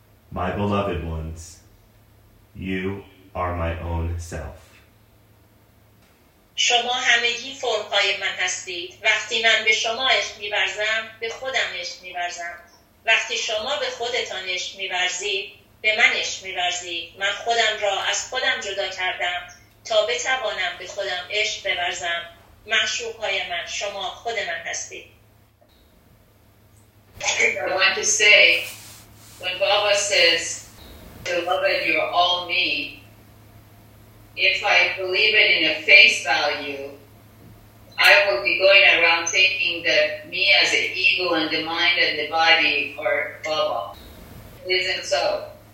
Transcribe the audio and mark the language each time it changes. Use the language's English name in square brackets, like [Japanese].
[English] My beloved ones, you are my own self. [Persian] شما همگی فرم‌های من هستید. وقتی من به شما عشق می‌ورزم، به خودم عشق می‌ورزم. وقتی شما به خودتان عشق می‌ورزید، به من عشق می‌ورزید. من خودم را از خودم جدا کردم تا بتوانم به خودم عشق بورزم. معشوقهای من شما خود من هستید. [English] I want to say, when Baba says, beloved, you are all me, if I believe it in a face value, I will be going around thinking that me as an ego and the mind and the body are Baba. It isn't so.